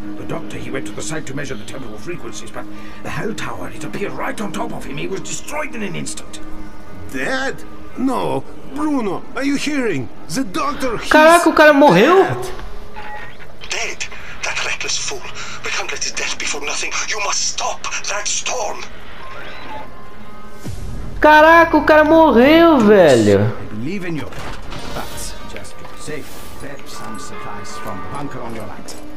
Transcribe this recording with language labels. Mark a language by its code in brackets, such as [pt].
[en] The doctor, he went to the site to measure the temporal frequencies, but the hell tower, it appeared right on top of him. He was destroyed in an instant. Dead? No. Bruno, are you hearing? The doctor, he's... [pt] Caraca, o cara morreu? [en] Dead, that reckless fool. We can't let his death be for nothing. You must stop that storm. [pt] Caraca, o cara morreu, velho. [en] I believe in you. But just to be safe, fetch some supplies from the bunker on your right.